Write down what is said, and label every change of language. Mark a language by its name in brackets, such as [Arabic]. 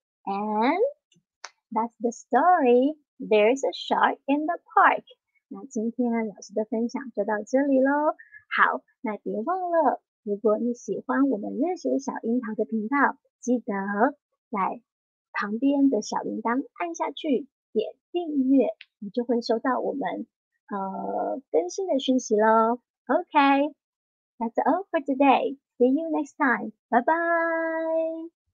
[English] And that's the story， There's a shark in the park。 [Chinese] 那今天老师的分享就到这里咯。好，那别忘了，如果你喜欢我们认识小樱桃的频道，记得在旁边的小铃铛按下去，点订阅，你就会收到我们更新的讯息咯。 [English] OK， that's all for today. See you next time. Bye bye.